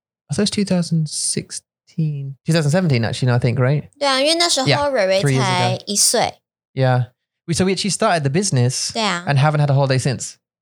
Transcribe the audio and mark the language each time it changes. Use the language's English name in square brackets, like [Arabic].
[English] I thought it was 2017, actually, no, I think, right? [Chinese] 对啊, 因为那时候蕊蕊才一岁. [English] Yeah. So we actually started the business and haven't had a holiday since.